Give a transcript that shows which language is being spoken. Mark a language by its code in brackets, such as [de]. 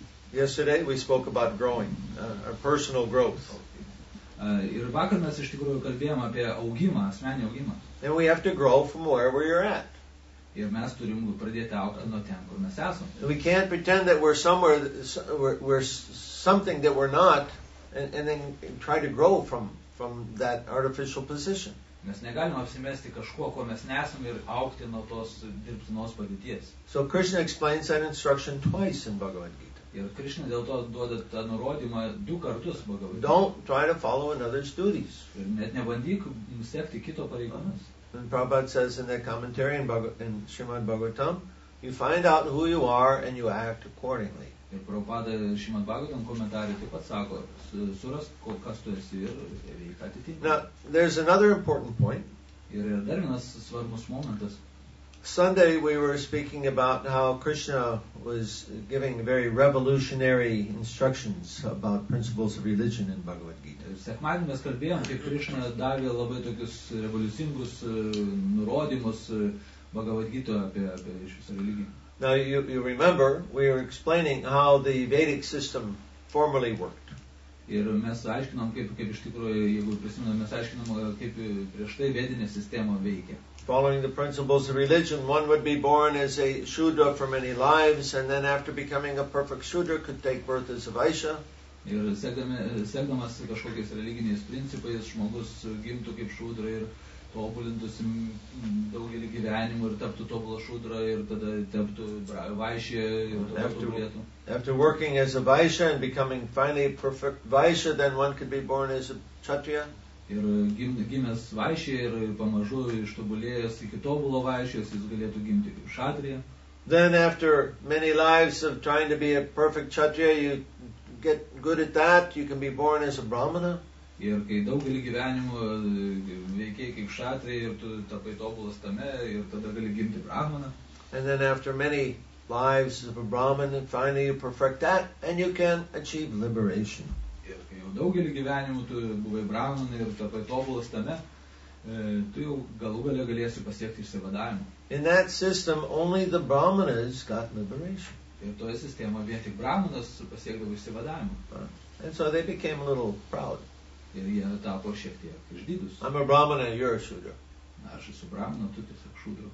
[en] Yesterday we spoke about growing, our personal growth. [lt] Ir vakar mes iš tikrųjų kalbėjom apie augimą, asmeninį augimą. [en] And we have to grow from wherever you're at. [lt] Ir mes turim pradėti augti nuo ten, kur mes esam. [en] We can't pretend that we're somewhere, we're something that we're not, and then try to grow from that artificial position. [lt] Mes negalime apsimesti kažkuo, ko mes nesam ir augti nuo tos dirbtinos padėties. [en] So Krishna explains that instruction twice in Bhagavad Gita. [lt] Ir Krishna dėl to duoda tą nurodymą du kartus Bhagavad Gita. [en] Don't try to follow another's duties. [lt] Ir net nebandyk sekti kito pareigomis. [en] And Prabhupada says in that commentary in Srimad Bhagavatam, you find out who you are and you act accordingly. [lt] Ir Prabhupada Srimad Bhagavatam komentarė taip pat sako, surask, kas tu esi ir veik atitinkamai. [en] Now, there's another important point. [lt] Ir yra dar vienas svarbus momentas. [en] Sunday we were speaking about how Krishna was giving very revolutionary instructions about principles of religion in Bhagavad Gita. [lt] Sekmadienį mes kalbėjom, kaip Krishna davė labai tokius revoliucingus nurodymus Bhagavad Gita apie iš visą religiją. [en] Now you remember we were explaining how the Vedic system formerly worked. [lt] Ir mes aiškinom kaip iš tikrųjų jeigu prisimenam mes aiškinom kaip prieš tai vedinė sistema veikė. [en] Following the principles of religion one would be born as a shudra for many lives and then after becoming a perfect shudra could take birth as a vaishya. [lt] Ir sekdamas kažkokiais religiniais principais žmogus gimtų kaip šudra ir tobulintųsi daugelį gyvenimų ir taptų tobulą šudrą ir tada taptų vaishya ir tobulėtų. [en] After working as a vaishya and becoming finally perfect vaishya, then one could be born as a kshatriya. [lt] Ir gimęs vaishya ir pamažu ištobulėjęs iki tobulo vaishyos, jis galėtų gimti kaip kshatriya. [en] Then after many lives of trying to be a perfect kshatriya, you get good at that, you can be born as a brahmana. [lt] Ir kai daugelį gyvenimų veikiai kaip kshatriya ir tu tapai tobulas tame ir tada gali gimti brahmana. [en] And then after many lives of a Brahmin, and finally you perfect that, and you can achieve liberation. [lt] Daugelį gyvenimų tu buvai Brahmin ir tapai tobulas tame, tu jau galų galę galėsi pasiekti išsivadavimą. [en] In that system, only the Brahmanas got liberation. [lt] Ir toje sistemoje vien tik Brahmanas pasiekdavo išsivadavimą. [en] And so they became a little proud. [lt] Ir jie tapo šiek tiek išdidus. [en] I'm a Brahmin and you're a Shudra. [lt] Aš esu Brahmin, tu tiesiog Shudra.